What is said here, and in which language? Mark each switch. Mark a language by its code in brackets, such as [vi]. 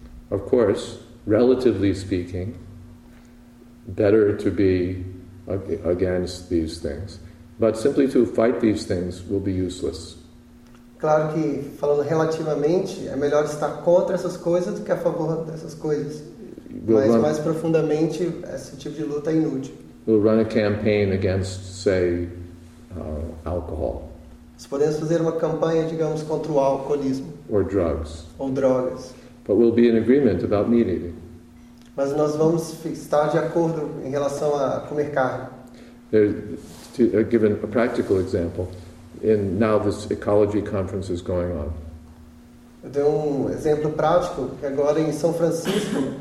[en] of course, relatively speaking, better to be against these things, but simply to fight these things will be useless. [pt] Claro que falando relativamente, é melhor estar contra essas coisas do que a favor dessas coisas. Mais profundamente, esse tipo de luta é inútil. [en] We'll run a campaign against, say, alcohol. [pt] Nós podemos fazer uma campanha, digamos, contra o alcoolismo. [en] Or drugs. [pt] Ou drogas. [en] But we'll be in agreement about meat eating. [pt] Mas nós vamos estar de acordo em relação a comer carne. [en] Given a practical example. And now this ecology conference is going on. [pt] Eu dei um exemplo prático que agora em São Francisco.